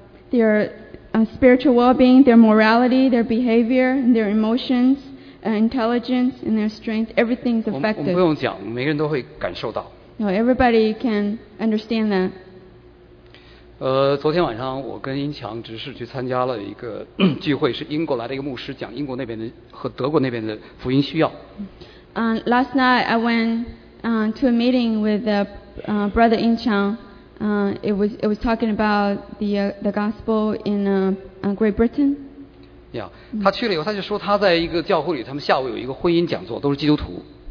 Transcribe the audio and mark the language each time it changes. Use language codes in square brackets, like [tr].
[en] Their spiritual well-being, their morality, their behavior, their emotions, intelligence, and their strength, everything's affected. [zh] 我们不用讲，每个人都会感受到。 [en] No, everybody can understand that. [zh] 昨天晚上我跟英强执事去参加了一个聚会，是英国来的一个牧师讲英国那边的和德国那边的福音需要。 [en] Last night I went to a meeting with Brother In Chang. It was talking about the gospel in Great Britain. [zh] Yeah, 他去了以后，他就说他在一个教会里，他们下午有一个婚姻讲座，都是基督徒。